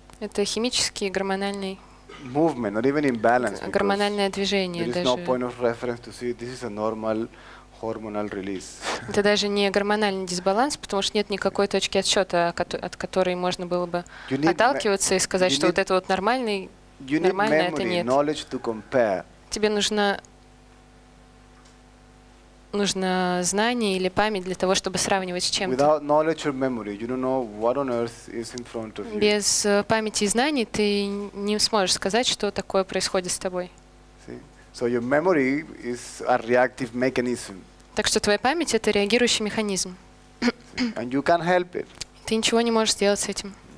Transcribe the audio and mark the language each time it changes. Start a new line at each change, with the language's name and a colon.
Russian: Это химический гормональный.
English: Movement, not even imbalance.
Russian: Гормональное движение даже.
English: There is no point of reference to see this is a normal hormonal release.
Russian: Это даже не гормональный дисбаланс, потому что нет никакой точки отсчета, от которой можно было бы отталкиваться и сказать, что вот это вот нормальный.
English: You need
Russian: нормальный,
English: memory, knowledge to compare.
Russian: Тебе нужно нужно знание или память для того, чтобы сравнивать с чем-то.
English: Without knowledge or memory, you don't know what on earth is in front of you.
Russian: Без памяти и знаний ты не сможешь сказать, что такое происходит с тобой.
English: See? So your memory is a reactive mechanism.
Russian: Так что твоя память — это реагирующий механизм.
English: And you can't help it.
Russian: Ты ничего не можешь сделать с этим.